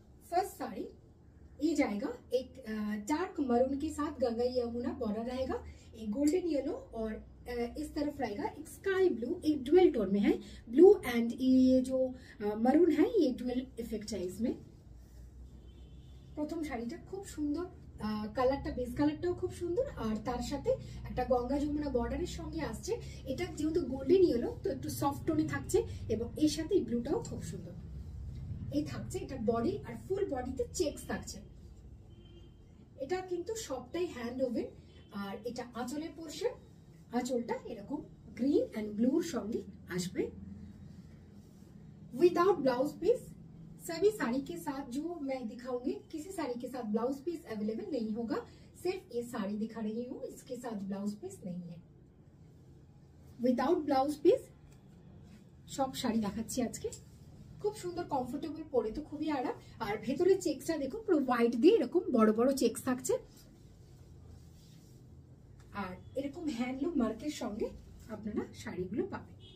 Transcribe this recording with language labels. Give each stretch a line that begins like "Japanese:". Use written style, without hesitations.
Hindi: First sari ये जाएगा, एक डार्क मरून के साथ गंगा यमुना बॉर्डर रहेगा, एक गोल्डन येलो और इस तरफ रहेगा एक स्काई ब्लू। एक ड्यूअल टोन में है ब्लू एंड ये जो मरून है, ये ड्यूअल इफेक्ट है इसमें।
Bangla: प्रथम साड़ीटा खूब सुंदर, কালারটা বেস কালারটাও খুব সুন্দর, আর তার সাথে একটা গঙ্গা যমুনা বর্ডারের সঙ্গে আসছে। এটা যেহেতু গোল্ডেন ইয়েলো তো একটু সফট টোনে থাকছে এবং এর সাথে ব্লুটাও খুব সুন্দর এই থাকছে। এটা বডি আর ফুল বডিতে চেকস থাকছে। এটা কিন্তু সবটাই হ্যান্ড ওভেন। আর এটা আঁচলের পোর্শন, আঁচলটা এরকম গ্রিন অ্যান্ড ব্লুর সঙ্গে আসবে।
English: without blouse piece
Hindi: सभी साड़ी के साथ जो मैं दिखाऊंगी, किसी साड़ी के साथ ब्लाउज पीस अवेलेबल नहीं होगा। सिर्फ ये साड़ी दिखा रही हूँ, इसके साथ ब्लाउज पीस नहीं है। विदाउट ब्लाउज पीस सब साड़ी
Bangla: দেখাচ্ছি আজকে। খুব সুন্দর, কমফোর্টেবল, পরে তো খুবই আরাম। আর ভেতরে চেকসটা দেখো, পুরো হোয়াইট দিয়ে এরকম বড় বড় চেকস থাকছে। আর এরকম হ্যান্ডলুম মার্কের সঙ্গে আপনারা শাড়িগুলো পাবেন।